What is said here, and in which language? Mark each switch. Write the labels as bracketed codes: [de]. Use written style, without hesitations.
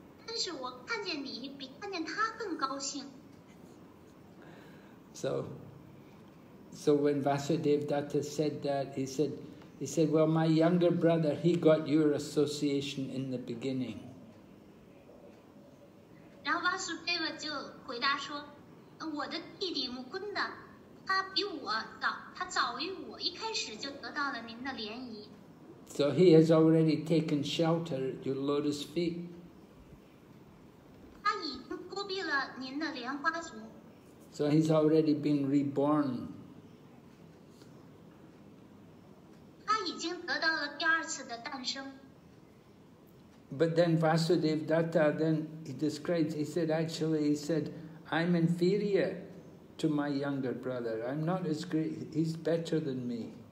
[zh] 但是我看见你比看见他更高兴。 [en] So when Vasudev Datta said that, he said, well, my younger brother, he got your association in the beginning. [zh] 然后 Vasudeva 就回答说，我的弟弟穆昆达，他比我早，他早于我一开始就得到了您的怜悯。 [en] So he has already taken shelter at your lotus feet. [zh] 他已经躲避了您的莲花足。 [en] So he's already been reborn. [zh] 他已经得到了第二次的诞生。 [en] But then Vasudeva Datta, then he describes, he said, I'm inferior to my younger brother. I'm not as great, he's better than me.